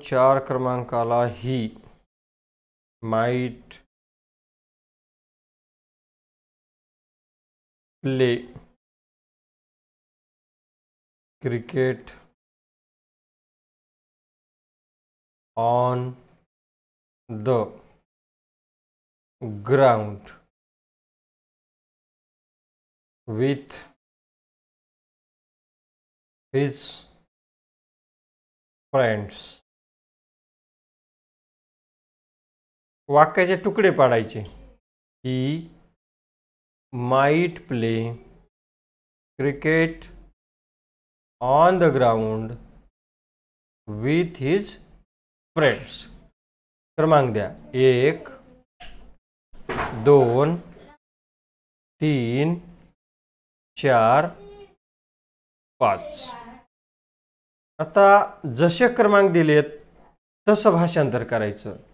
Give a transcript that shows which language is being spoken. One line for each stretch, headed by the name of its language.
Marathi: चार क्रमांकाला
English: He might play cricket on the ground with his friends.
Marathi: वाक्याचे तुकडे पाडायचे.
English: He might play cricket on the ground with his friends.
Marathi: क्रमांक द्या, एक दोन तीन चार पाच. आता जसे क्रमांक दिलेत तसं भाषांतर करायचं.